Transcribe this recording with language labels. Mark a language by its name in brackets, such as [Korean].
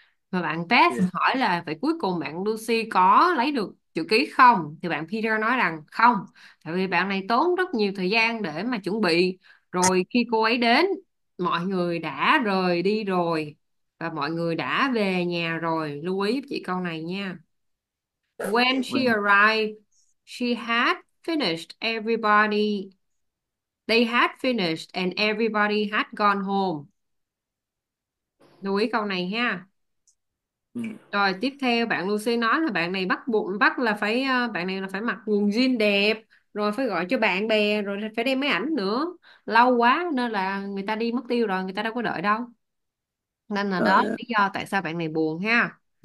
[Vietnamese] Và bạn Beth hỏi là vậy cuối cùng bạn Lucy có lấy được chữ ký không, thì bạn Peter nói rằng không, tại vì bạn này tốn rất nhiều thời gian để mà chuẩn bị, rồi khi cô ấy đến mọi người đã rời đi rồi và mọi người đã về nhà rồi. Lưu ý chị câu này nha, [English] when she arrived she had finished everybody, they had finished and everybody had gone home. [Vietnamese] Lưu ý câu này ha. Rồi tiếp theo bạn Lucy nói là bạn này bắt buộc bắt là phải bạn này là phải mặc quần jean đẹp, rồi phải gọi cho bạn bè, rồi phải đem máy ảnh nữa, lâu quá nên là người ta đi mất tiêu rồi, người ta đâu có đợi đâu, nên là đó là lý do tại sao bạn này buồn ha.